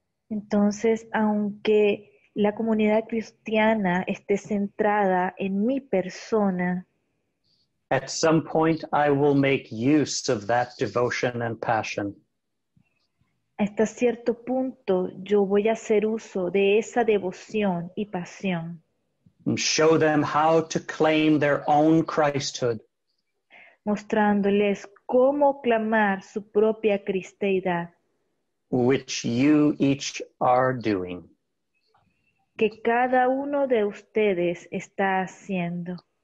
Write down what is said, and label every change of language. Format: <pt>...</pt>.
<es>entonces aunque la comunidad cristiana esté centrada en mi persona,</es> <en>at some point, I will make use of that devotion and passion.</en> <es>Hasta cierto punto, yo voy a hacer uso de esa devoción y pasión.</es> <en>And show them how to claim their own Christhood.</en> <es>Mostrándoles cómo clamar su propia cristeidad.</es> <en>Which you each are doing.</en> <es>Que cada uno de ustedes está haciendo.</es>